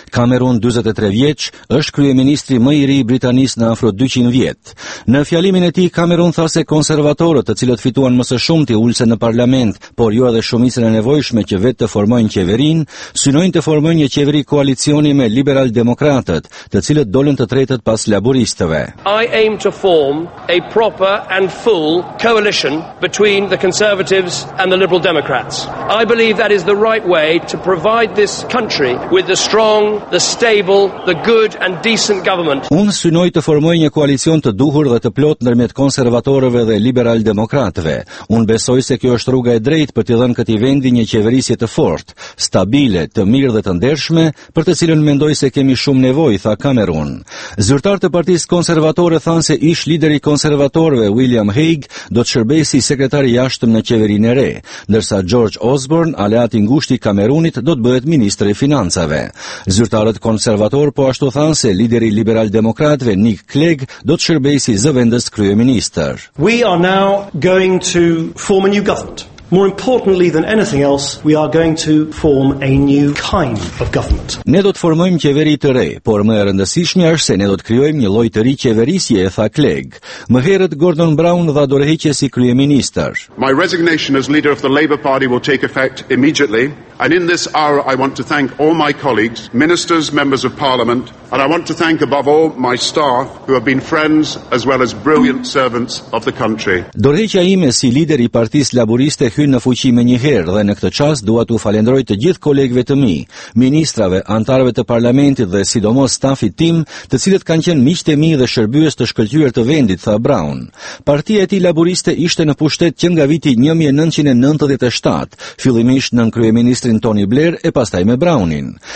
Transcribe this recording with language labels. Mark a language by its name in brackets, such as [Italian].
[Albanian] Cameron, 43 vjeç, është kryeministri më i ri i Britanisë në afro 200 vjet. Në fjalimin e tij, Cameron tha se konservatorët, të cilët fituan më së shumti ulse në parlament, por jo edhe shumicën e nevojshme që vetë të formojnë qeverinë, synojnë të formojnë një qeveri koalicioni me liberal demokratët, të cilët dolën të tretët pas laboristëve. [English] I aim to form a proper and full coalition between the conservatives and the liberal democrats. I believe that is the right way to provide this country with the strong, the stable, the good and decent government. [Albanian] Unë synoj të formoj një koalicion të duhur dhe të plot ndërmjet konservatorëve dhe liberal demokratëve. Unë besoj se kjo është rruga e drejtë për t'i dhënë këtij vendi një qeverisje të fortë, stabile, të mirë dhe të ndershme, për të cilën mendoj se kemi shumë nevojë, tha Cameron. Zyrtarët e Partisë Konservatore thanë se ish lideri konservatorëve William Hague do të shërbejë si sekretar i jashtëm në qeverinë e re, ndërsa George Osborne, aleat i ngushtë i Kamerunit, do të bëhet ministri i financave. Zyrtarët konservator po ashtu thanë se lideri liberal demokratëve Nick Clegg do të shërbejë si zëvendës kryeministër. [English] We are now going to form a new government. More importantly than anything else, we are going to form a new kind of government. [Albanian] Ne do të formojmë qeveri të re, por më e rëndësishmja është se ne do të krijojmë një lloj të ri qeverisje, e tha Clegg. Më herët Gordon Brown dha dorëheqje si kryeministër. [English] My resignation as leader of the Labour Party will take effect immediately, and in this hour I want to thank all my colleagues, ministers, members of parliament, and I want to thank above all my staff who have been friends as well as brilliant servants of the country. [Albanian] Dorëheqja ime si lider i Partisë Laboriste hynë në fuqi më një herë dhe në këtë çast dua t'u falenderoj të gjithë kolegëve të mi, ministrave, anëtarëve të parlamentit dhe sidomos stafit tim, të cilët kanë qenë miqtë e mi dhe shërbyes të shkëlqyer të vendit, tha Brown. Partia e tij laboriste ishte në pushtet që nga viti 1997, fillimisht nën kryeministrin Tony Blair e pastaj me Brownin.